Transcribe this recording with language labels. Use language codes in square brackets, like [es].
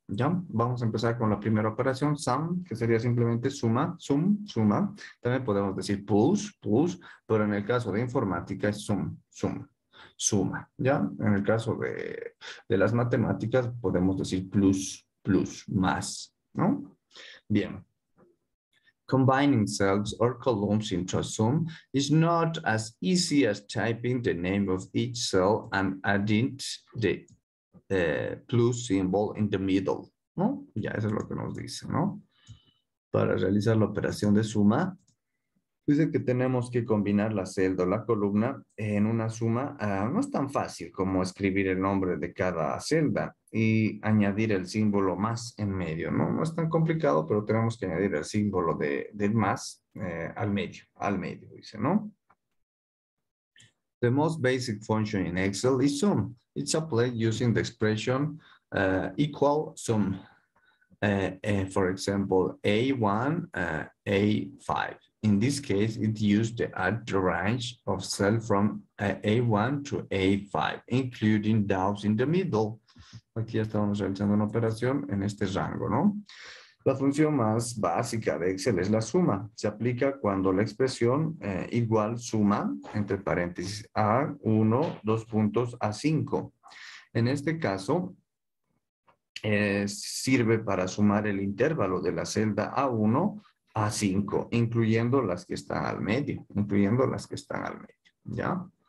[es] Ya, vamos a empezar con la primera operación, sum, que sería simplemente suma, sum, suma. También podemos decir push, pero en el caso de informática es sum, sum, suma. Ya, en el caso de las matemáticas podemos decir plus, más, ¿no? Bien. [en] Combining cells or columns into a sum is not as easy as typing the name of each cell and adding the plus symbol in the middle, ¿no? [es] Ya, eso es lo que nos dice, ¿no? Para realizar la operación de suma, dice que tenemos que combinar la celda o la columna en una suma. No es tan fácil como escribir el nombre de cada celda y añadir el símbolo más en medio, ¿no? No es tan complicado, pero tenemos que añadir el símbolo del más al medio, dice, ¿no? [en] The most basic function in Excel is sum. It's applied using the expression equal sum. For example, A1, A5. In this case, it used to add the range of cell from A1 to A5, including those in the middle. [es] Aquí estamos realizando una operación en este rango, ¿no? La función más básica de Excel es la suma. Se aplica cuando la expresión igual suma, entre paréntesis, a 1, 2 puntos, a 5. En este caso, sirve para sumar el intervalo de la celda A1 a 5, incluyendo las que están al medio, incluyendo las que están al medio, ¿ya?